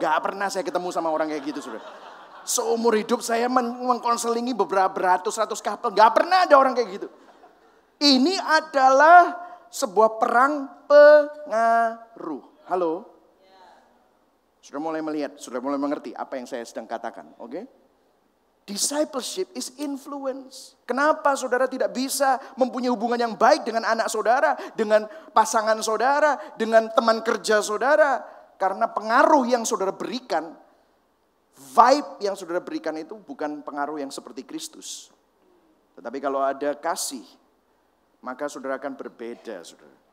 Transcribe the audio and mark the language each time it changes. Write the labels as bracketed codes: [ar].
[id] Gak pernah saya ketemu sama orang kayak gitu, saudara. Seumur hidup saya mengkonselingi beberapa beratus-ratus couple. Gak pernah ada orang kayak gitu. Ini adalah sebuah perang pengaruh. Halo? Sudah mulai melihat, sudah mulai mengerti apa yang saya sedang katakan. Oke? Okay? [en] Discipleship is influence. [id] Kenapa saudara tidak bisa mempunyai hubungan yang baik dengan anak saudara, dengan pasangan saudara, dengan teman kerja saudara? Karena pengaruh yang saudara berikan, vibe yang saudara berikan itu bukan pengaruh yang seperti Kristus. Tetapi kalau ada kasih, maka saudara akan berbeda, saudara.